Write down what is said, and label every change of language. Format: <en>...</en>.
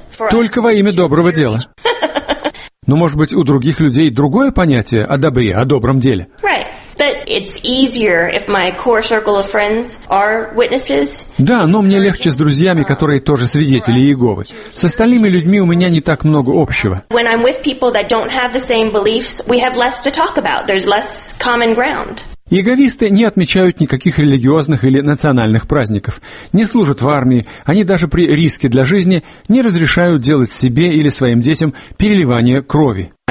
<ru>Только во имя доброго дела. Но может быть у других людей другое понятие о добре, о добром деле?</ru> <en>Right, but it's easier if my core circle of friends are witnesses.</en> <ru>Да, но мне легче с друзьями, которые тоже свидетели Иеговы. С остальными людьми у меня не так много общего.</ru> <en>When I'm with people that don't have the same beliefs, we have less to talk about. There's less common ground.</en> <ru>Иеговисты не отмечают никаких религиозных или национальных праздников, не служат в армии, они даже при риске для жизни не разрешают делать себе или своим детям переливание крови.</ru>